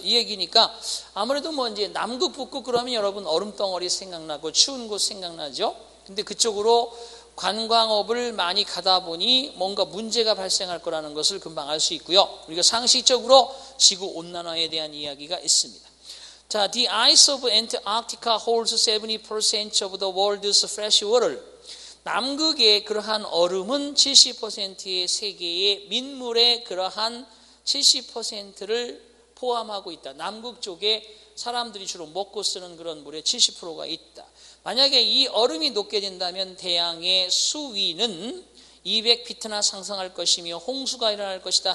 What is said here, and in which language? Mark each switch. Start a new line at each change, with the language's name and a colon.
Korean: 이 얘기니까 아무래도 뭐 이제 남극 북극 그러면 여러분 얼음덩어리 생각나고 추운 곳 생각나죠? 근데 그쪽으로 관광업을 많이 가다 보니 뭔가 문제가 발생할 거라는 것을 금방 알 수 있고요. 우리가 상식적으로 지구 온난화에 대한 이야기가 있습니다.
English: 자, the ice of Antarctica holds 70% of the world's fresh water.
Korean: 남극의 그러한 얼음은 70%의 세계의 민물의 그러한 70%를 포함하고 있다. 남극 쪽에 사람들이 주로 먹고 쓰는 그런 물의 70%가 있다. 만약에 이 얼음이 녹게 된다면 대양의 수위는 200피트나 상승할 것이며 홍수가 일어날 것이다.